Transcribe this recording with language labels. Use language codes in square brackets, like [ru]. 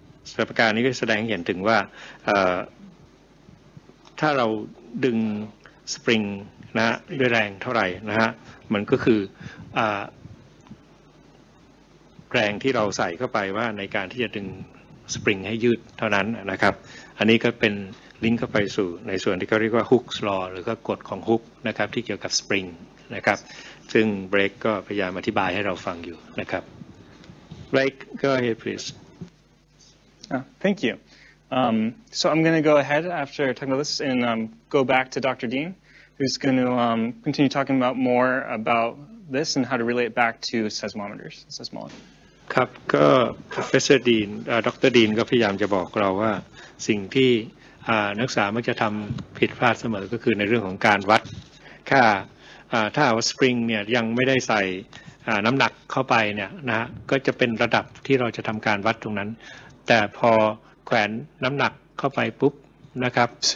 [th] สถานการณ์นี้ก็แสดงเห็นถึงว่าถ้าเราดึงสปริงนะฮะด้วยแรงเท่าไหร่นะฮะมันก็คือแรงที่เราใส่เข้าไปว่าในการที่จะดึงสปริงให้ยืดเท่านั้นนะครับอันนี้ก็เป็นลิงก์เข้าไปสู่ในส่วนที่เขาเรียกว่าฮุกส์ลอหรือก็กฎของฮุกนะครับที่เกี่ยวกับสปริงนะครับซึ่งเบรกก็พยายามอธิบายให้เราฟังอยู่นะครับเบรกก็ [en] ahead please thank youSo I'm going to go ahead after talking about this and go back to Dr. Dean, who's going to continue talking about more about this and how to relate it back to seismometers, seismology. [th] ครับก็ Professor Dean, Dr. Dean ก็พยายามจะบอกเราว่าสิ่งที่นักศึกษามักจะทำผิดพลาดเสมอก็คือในเรื่องของการวัดค่าถ้าว่าสปริงเนี่ยยังไม่ได้ใส่น้ำหนักเข้าไปเนี่ยนะฮะก็จะเป็นระดับที่เราจะทำการวัดตรงนั้นแต่พอแขวนน้ำหนักเข้าไปปุ๊บนะครับ